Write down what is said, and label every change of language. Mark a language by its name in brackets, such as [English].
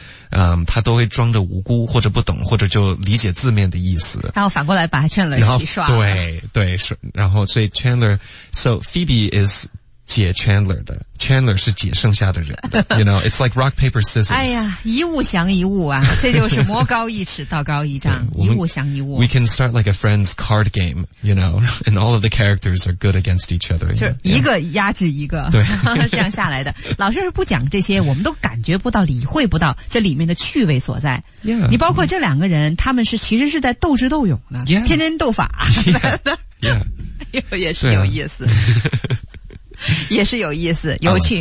[Chinese] 嗯，他都会装着无辜或者不懂，或者就理解字面的意思，然后反过来把 Chandler 洗刷了。对对，然后所以 Chandler， [English] so Phoebe is。 [Chinese] 解 Chandler 的 ，Chandler 是解剩下的人的， [English] you know， it's like rock paper scissors。 [Chinese] 哎呀，一物降一物啊，这就是魔高一尺，道高一丈，一物降一物。 [English] We can start like a friend's card game， you know， and all of the characters are good against each other。 [Chinese] 就一个压制一个，对，这样下来的。老师是不讲这些，我们都感觉不到、理会不到这里面的趣味所在。 Yeah，你包括这两个人，他们是其实是在斗智斗勇呢， yeah，天天斗法。 Yeah，也是有意思。也是有意思有趣、